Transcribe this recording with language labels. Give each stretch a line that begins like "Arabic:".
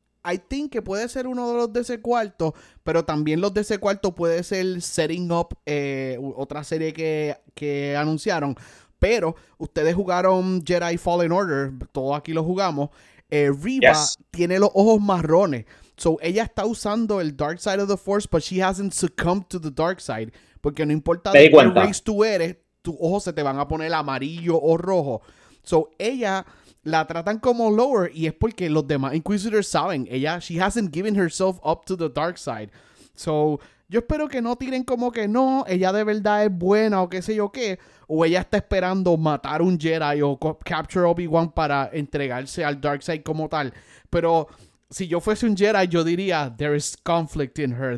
English: I think
Spanish: que puede ser uno de los de ese cuarto, pero también los de ese cuarto puede ser Setting Up, otra serie que anunciaron. Pero ustedes jugaron Jedi Fallen Order, todos aquí lo jugamos. Reba yes. tiene los ojos marrones.
English: So
Spanish: ella está usando el
English: dark side of the force, but she hasn't succumbed to the dark side.
Spanish: Porque no importa de qué race tú eres, tus ojos se te van a poner amarillo o rojo. So ella la tratan como lower y es porque los demás Inquisitors saben.
English: Ella, she hasn't given herself up to the dark side.
Spanish: So yo espero que no tiren como que no, ella de verdad es buena o qué sé yo qué. O ella está esperando matar un Jedi o capture Obi-Wan para entregarse al dark side como tal. Pero si yo fuese un Jedi, yo diría,
English: there is conflict in her.